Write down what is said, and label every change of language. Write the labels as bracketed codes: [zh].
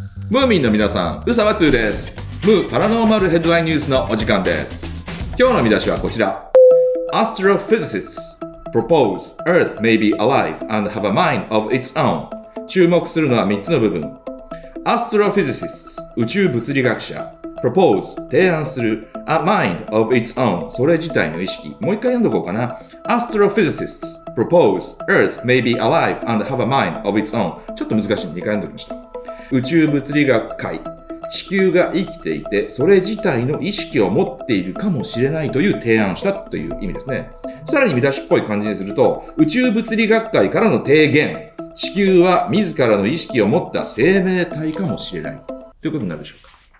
[ja] ムーミンの皆さん、宇佐和通です。ムーパラノーマルヘッドラインニュースのお時間です。今日の見出しはこちら。 [en] Astrophysicists propose Earth may be alive and have a mind of its own。 [ja] 注目するのは3つの部分。 [en] Astrophysicists [ja] 宇宙物理学者、 [en] propose [ja] 提案する、 [en] a mind of its own [ja] それ自体の意識。もう一回読んどこうかな。 [en] Astrophysicists propose Earth may be alive and have a mind of its own。 [ja] ちょっと難しいんで2回読んどきました。宇宙物理学界、地球が生きていてそれ自体の意識を持っているかもしれないという提案をしたという意味ですね。さらに見出しっぽい感じにすると、宇宙物理学界からの提言、地球は自らの意識を持った生命体かもしれないということになるでしょうか。